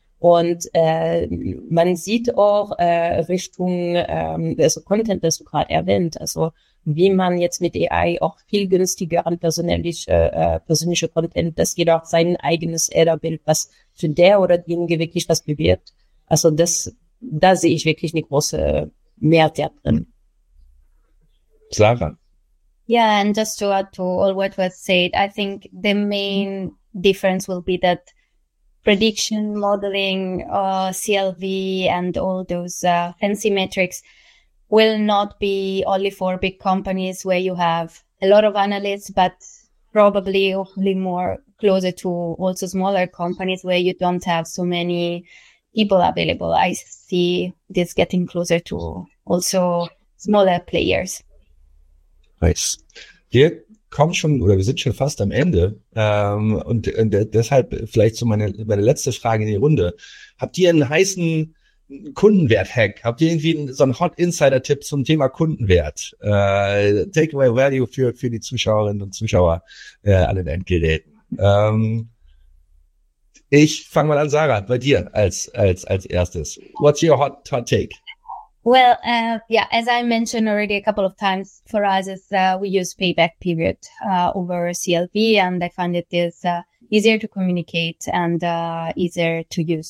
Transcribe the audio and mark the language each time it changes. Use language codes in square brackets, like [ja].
[de] Und man sieht auch Richtung also Content, das du gerade erwähnt, also wie man jetzt mit AI auch viel günstiger an persönliche Content, dass jeder auch sein eigenes Adderbild, was für der oder diejenige wirklich was bewirkt. Also da sehe ich wirklich eine große Mehrwert drin. Sarah? [en] Yeah, and just to add to all what was said, I think the main difference will be that prediction modeling, CLV, and all those fancy metrics will not be only for big companies where you have a lot of analysts, but probably hopefully more closer to also smaller companies where you don't have so many people available. I see this getting closer to also smaller players. Nice. [de] Wir kommen schon, oder wir sind schon fast am Ende. Und deshalb vielleicht so meine letzte Frage in die Runde. Habt ihr einen heißen Kundenwert-Hack? Habt ihr irgendwie so einen Hot-Insider-Tipp zum Thema Kundenwert? Takeaway-Value für die Zuschauerinnen und Zuschauer an den Endgeräten. Ich fange mal an, Sarah, bei dir als erstes. [en] What's your hot take? Well, yeah, as I mentioned already a couple of times, for us, is we use payback period over CLV, and I find it is easier to communicate and easier to use.